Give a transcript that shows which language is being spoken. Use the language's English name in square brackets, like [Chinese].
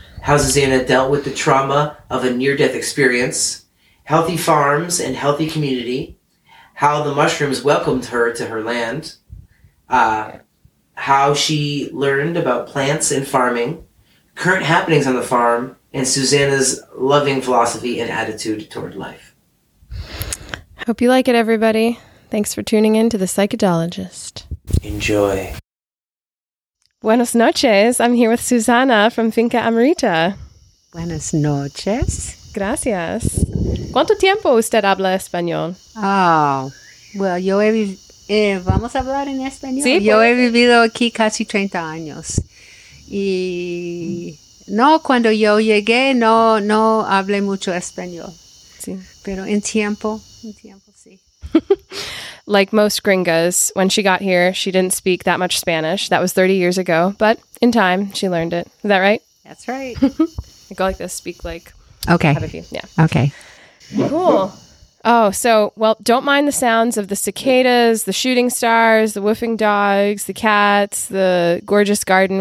[English] How Suzanna dealt with the trauma of a near-death experience, healthy farms and healthy community, how the mushrooms welcomed her to her land, how she learned about plants and farming, current happenings on the farm, and Suzanna's loving philosophy and attitude toward life. Hope you like it, everybody. Thanks for tuning in to The Psychedelogist. Enjoy. [Spanish] Buenas noches. [English] I'm here with Suzanna from Finca Amrta. [Spanish] Buenas noches. Gracias. ¿Cuánto tiempo usted habla español? [English] Oh, well, [Spanish] yo he vivido... ¿Vamos a hablar en español? Sí, yo he vivido aquí casi 30 años. Y no, cuando yo llegué, no hablé mucho español. Sí. Pero en tiempo, sí. [English] Like most gringas, when she got here, she didn't speak that much Spanish. That was 30 years ago, but in time, she learned it. Is that right? That's right. I go like this, speak like... Okay. Have a few. Yeah. Okay. Cool. Oh, so, well, don't mind the sounds of the cicadas, the shooting stars, the woofing dogs, the cats, the gorgeous garden.